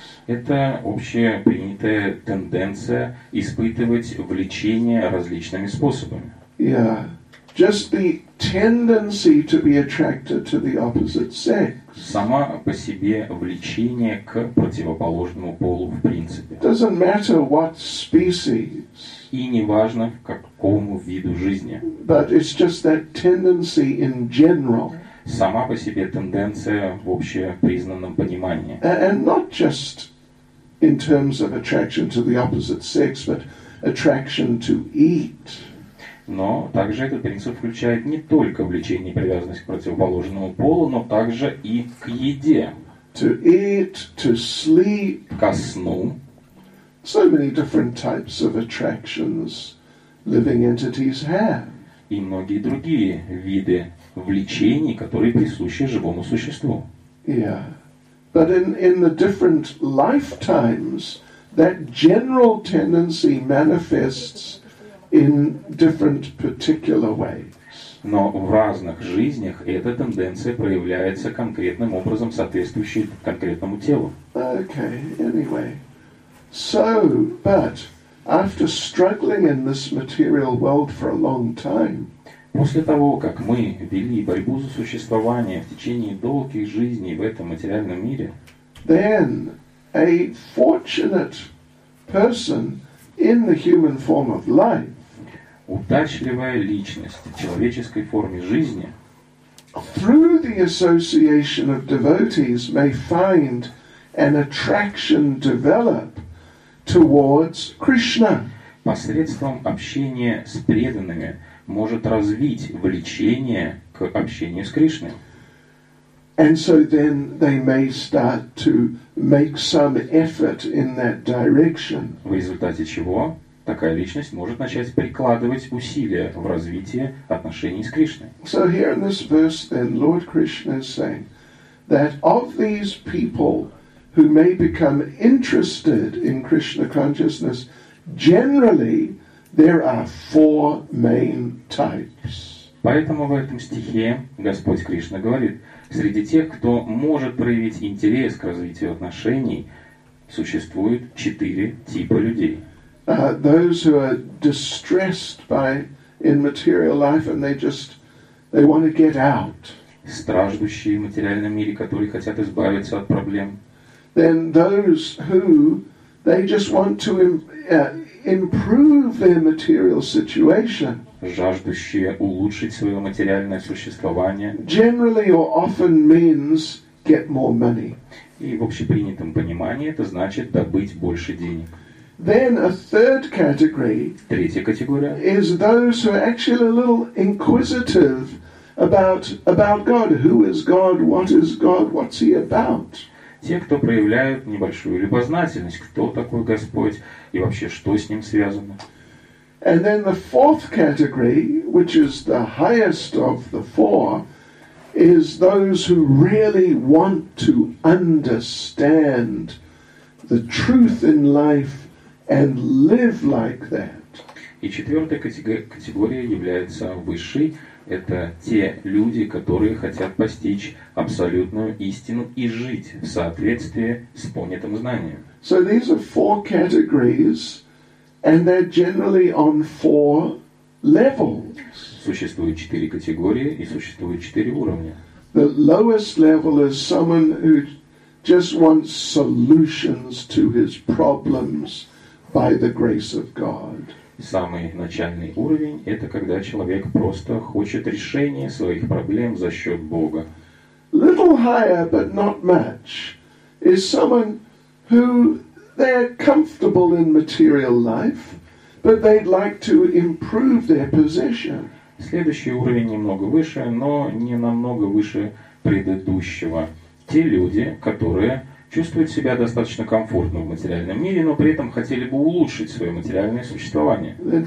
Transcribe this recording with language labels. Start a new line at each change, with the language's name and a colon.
Russian: Это общепринятая тенденция испытывать влечение различными способами.
English: Yeah. Just the tendency to be attracted to the opposite sex.
Russian: Само по себе влечение к противоположному полу в принципе.
English: Doesn't matter what species.
Russian: И не важно к какому виду жизни.
English: But it's just that tendency in general.
Russian: Сама по себе тенденция в общепризнанном понимании.
English: And not just in terms of attraction to the opposite sex, but attraction to eat.
Russian: Но также этот принцип включает не только влечение и привязанность к противоположному полу, но также и к еде.
English: To eat, to sleep.
Russian: Ко сну.
English: So many different types of attractions living entities have.
Russian: И многие другие виды влечений, которые присущи живому существу.
English: Yeah. But in the different lifetimes, that general tendency manifests in different particular ways.
Russian: Но в разных жизнях эта тенденция проявляется конкретным образом, соответствующей конкретному телу.
English: Okay, anyway. So, but after struggling in this material world for a long time,
Russian: после того, как мы вели борьбу за существование в течение долгих жизней в этом материальном мире,
English: then a fortunate person in the human form of life,
Russian: удачливая личность в человеческой форме жизни,
English: through the association of devotees may find an attraction develop towards Krishna.
Russian: Посредством общения с преданными может развить влечение к общению с Кришной.
English: And so then they may start to make some effort in that direction.
Russian: В результате чего такая личность может начать прикладывать усилия в развитии отношений с Кришной.
English: So here in this verse then Lord Krishna is saying that of these people who may become interested in Krishna consciousness, generally there are four main types.
Russian: Поэтому в этом стихе Господь Кришна говорит, среди тех, кто может проявить интерес к развитию отношений, существует четыре типа людей.
English: Those who are distressed by in material life and they want to get out.
Russian: Страждущие в материальном мире, которые хотят избавиться от проблем.
English: Then those who they just want to improve their material situation.
Russian: Жаждущие улучшить свое материальное существование.
English: Generally or often means get more money.
Russian: И в общепринятом понимании это значит добыть больше денег.
English: Then a third category,
Russian: третья категория,
English: is those who are actually a little inquisitive about God. Who is God? What is God? What's he about?
Russian: Те, кто проявляют небольшую любознательность, кто такой Господь и вообще что с ним связано.
English: And then the fourth category, which is the highest of the four, is those who really want to understand the truth in life and live like that.
Russian: И четвертая категория является высшей. Это те люди, которые хотят постичь абсолютную истину и жить в соответствии с понятым знанием.
English: So these are four categories, and they're generally on four levels.
Russian: Существует четыре категории и существует четыре уровня.
English: The lowest level is someone who just wants solutions to his problems by the grace of God.
Russian: Самый начальный уровень — это когда человек просто хочет решения своих проблем за счет Бога.
English: Little higher, but not much, is someone who they're comfortable in material life, but they'd like to improve their position.
Russian: Следующий уровень немного выше, но не намного выше предыдущего. Те люди, которые чувствуют себя достаточно комфортно в материальном мире, но при этом хотели бы улучшить свое материальное существование.